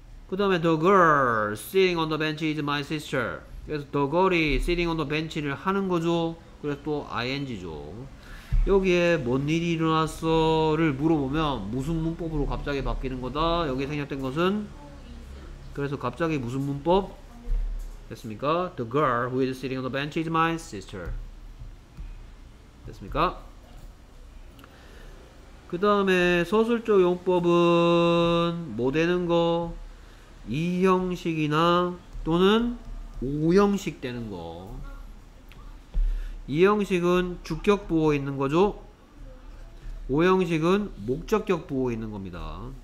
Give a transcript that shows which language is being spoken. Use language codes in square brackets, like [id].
[ko] 그 다음에 [en] the girl sitting on the bench is my sister. [ko] 그래서 the girl이 [en] sitting on the bench [ko] 를 하는 거죠. 그래서 또 ing죠. 여기에 뭔 일이 일어났어를 물어보면 무슨 문법으로 갑자기 바뀌는 거다. 여기에 생략된 것은 그래서 갑자기 무슨 문법? 됐습니까? [en] The girl who is sitting on the bench is my sister. [ko] 됐습니까? 그 다음에 서술적 용법은 뭐 되는 거? 2형식이나 또는 5형식 되는 거. 2형식은 주격 부호 있는 거죠? 5형식은 목적격 부호 있는 겁니다.